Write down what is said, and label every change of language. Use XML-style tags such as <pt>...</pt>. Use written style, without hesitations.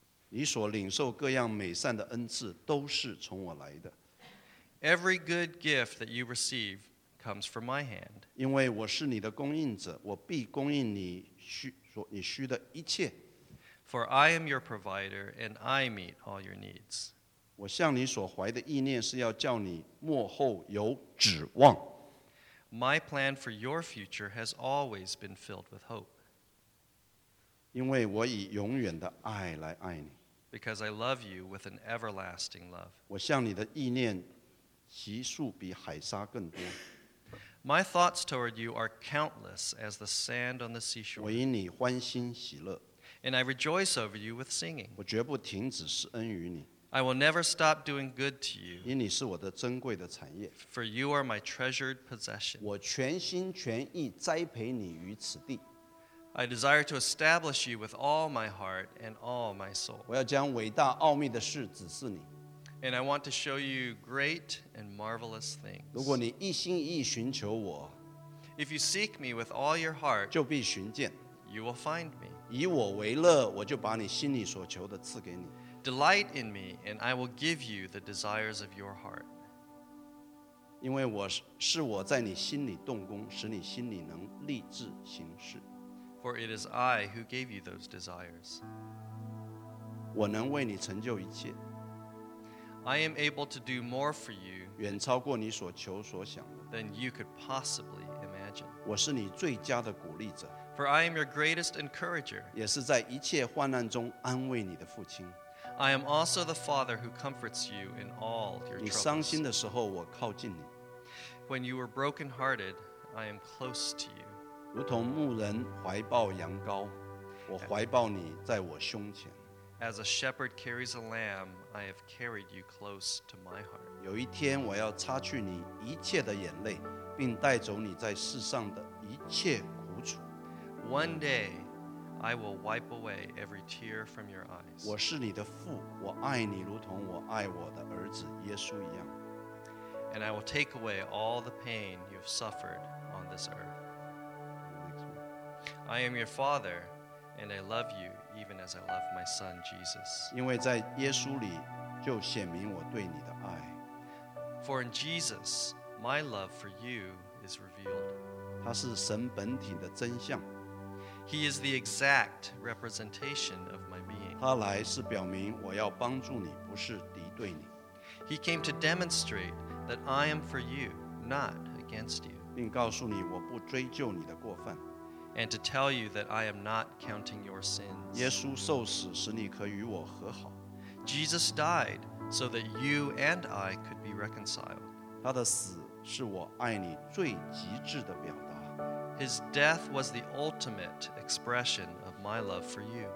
<zh>你所领受各样美善的恩赐都是从我来的。</zh> <en>Every good gift that you receive comes from my hand.</en> <zh>因为我是你的供应者，我必供应你需所你需的一切。</zh> <en>For I am your provider, and I meet all your needs.</en> <zh>我向你所怀的意念是要叫你末后有指望。</zh> <en>My plan for your future has always been filled with hope.</en> <zh>因为我以永远的爱来爱你。</zh> <en>Because I love you with an everlasting love.</en> <zh>我向你的意念其数比海沙更多。</zh> <en>My thoughts toward you are countless as the sand on the seashore.</en> <zh>我因你欢欣喜乐。</zh> <en>And I rejoice over you with singing.</en> <zh>我绝不停止施恩于你。</zh> <en>I will never stop doing good to you.</en> <zh>因你是我的珍贵的产业。</zh> <en>For you are my treasured possession.</en> <zh>我全心全意栽培你于此地。</zh> <en>I desire to establish you with all my heart and all my soul.</en> <zh>我要将伟大奥秘的事指示你。</zh> <en>And I want to show you great and marvelous things.</en> <zh>如果你一心一意寻求我，</zh> <en>If you seek me with all your heart,</en> <zh>就必寻见。</zh> <en>You will find me.</en> <zh>以我为乐，我就把你心里所求的赐给你。</zh> <en>Delight in me, and I will give you the desires of your heart.</en> <zh>因为我是我在你心里动工，使你心里能立志行事。</zh> <en>For it is I who gave you those desires.</en> <zh>我能为你成就一切。</zh> <en>I am able to do more for you</en> <zh>远超过你所求所想的。</zh> <en>than you could possibly imagine.</en> <zh>我是你最佳的鼓励者。</zh> <en>For I am your greatest encourager.</en> <zh>也是在一切患难中安慰你的父亲。</zh> <en>I am also the father who comforts you in all your troubles.</en> <zh>你伤心的时候，我靠近你。</zh> <en>When you are brokenhearted, I am close to you.</en> <zh>如同牧人怀抱羊羔，我怀抱你在我胸前。</zh> <en>As a shepherd carries a lamb, I have carried you close to my heart.</en> <zh>有一天，我要擦去你一切的眼泪，并带走你在世上的一切苦楚。</zh> <en>One day, I will wipe away every tear from your eyes.</en> <zh>我是你的父，我爱你如同我爱我的儿子耶稣一样。</zh> <en>And I will take away all the pain you've suffered on this earth. I am your father, and I love you. Even as I love my son Jesus.</en> <zh>因为在耶稣里就显明我对你的爱。</zh> <en>For in Jesus, my love for you is revealed.</en> <zh>他是神本体的真相。</zh> <en>He is the exact representation of my being.</en> <zh>他来是表明我要帮助你，不是敌对你。</zh> <en>He came to demonstrate that I am for you, not against you.</en> <zh>并告诉你我不追究你的过犯。</zh> <en>And to tell you that I am not counting your sins.</en> <zh>耶稣受死使你可与我和好。</zh> <en>Jesus died so that you and I could be reconciled.</en> <zh>他的死是我爱你最极致的表达。</zh> <en>His death was the ultimate expression of my love for you.</en>